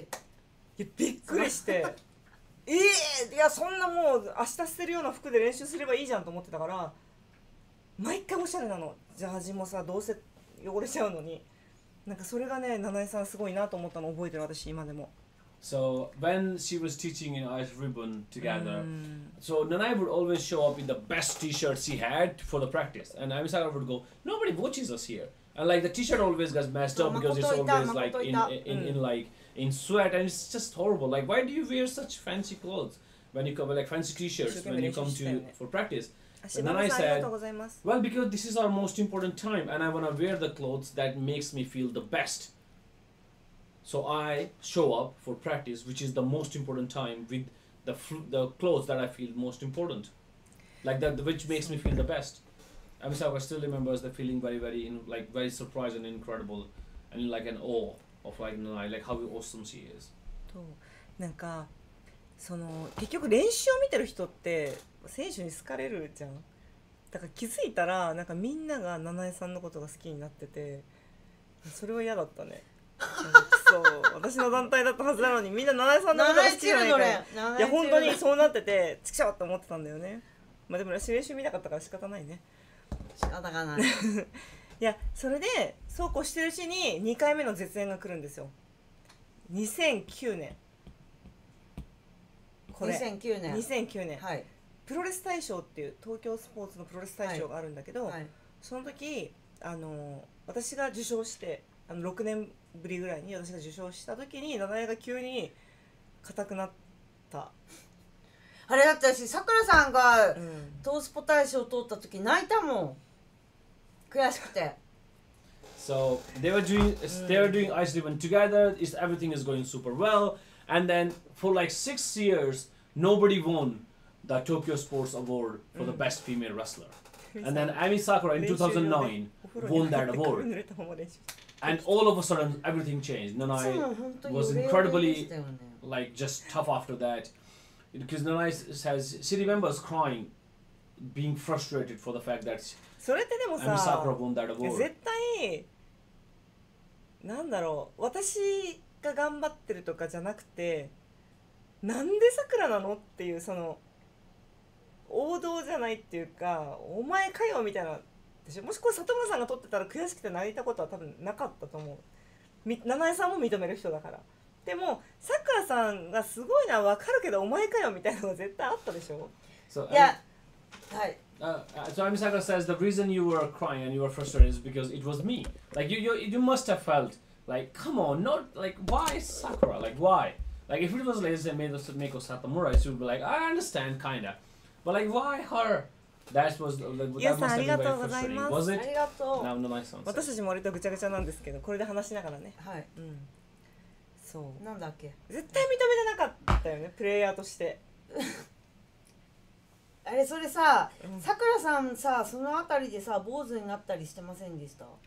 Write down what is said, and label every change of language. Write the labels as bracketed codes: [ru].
[ja] いやびっくりして、いやそんなもう明日捨てるような服で練習すればいいじゃんと思ってたから、毎回おしゃれなの、ジャージもさどうせ汚れちゃうのに、なんかそれがね、七井さんすごいなと思ったの覚えてる私今でも。 [en] So when she was teaching in Ice Ribbon together, so Nanai would always show up in the best T-shirt she had for the practice, and I Misaka would go, nobody watches us here, and like the T-shirt always gets messed up because it's always like in sweat, and it's just horrible. Like why do you wear such fancy clothes when you come, like fancy T-shirts when you come to for practice? And Nanai said, well, because this is our most important time, and I want to wear the clothes that makes me feel the best. So I show up for practice, which is the most important time, with the clothes that I feel most important, like that, which makes me feel the best. I mean, so I still remember the feeling very, very, in, like very surprised and incredible, and in, like an awe of like Nanai, like how awesome she is. [ja] So, なんかその結局練習を見てる人って選手に好かれるじゃん。だから気づいたらなんかみんなが Nanai さんのことが好きになってて、それは嫌だったね。そう、私の団体だったはずなのにみんな七井さんのこと好きじゃないから、いや本当にそうなっててちくしょうって思ってたんだよね。まあでも練習見なかったから仕方ないね。仕方がないいや、それでそうこうしてるうちに2回目の絶縁が来るんですよ。 2009年、これ2009年、はい、プロレス大賞っていう東京スポーツのプロレス大賞があるんだけど、はいはい、その時私が受賞して、あの6年ぶりぐらいに私が受賞したときに七井が急に硬くなったあれだったし、さくらさんがトースポ大賞を取ったとき泣いたもん、悔しくて。 [en] So they were doing Ice Ribbon together, everything is going super well, and then for like 6 years nobody won the Tokyo Sports Award for the best female wrestler, and then Ami Sakura in 2009 won that award. And all of a sudden, everything changed. Nanai was incredibly, like, just tough after that. Because Nanai says, she remembers crying, being frustrated for the fact that Ami Sakura won that award. [ja] 絶対、なんだろう、私が頑張ってるとかじゃなくて、なんで Sakura なのっていう、その、王道じゃないっていうか、お前かよみたいな。でしょ、もしこれ里村さんが撮ってたら悔しくて泣いたことは多分なかったと思う。七重さんも認める人だから。でもさくらさんがすごいのは分かるけど、お前かよみたいなのが絶対あったでしょ。 [en] So, [ja] いや、はい、 [en] So Ami Sakura says the reason you were crying and you were frustrated is because it was me. Like you must have felt like, come on, not like, why Sakura? Like why? Like if it was like Meiko Satomura, she would be like, I understand kinda, but like why her? That was the most frustrating. Was it? Thank you. Now, no, [ja] ありがとう。 [en] No, no, my son. [ja] 私たちも割とぐちゃぐちゃなんですけど、これで話しながらね。はい。うん。そう。なんだっけ。絶対認めてなかったよね、プレイヤーとして。あれ、それさ、さくらさんさ、そのあたりでさ、坊主になったりしてませんでした？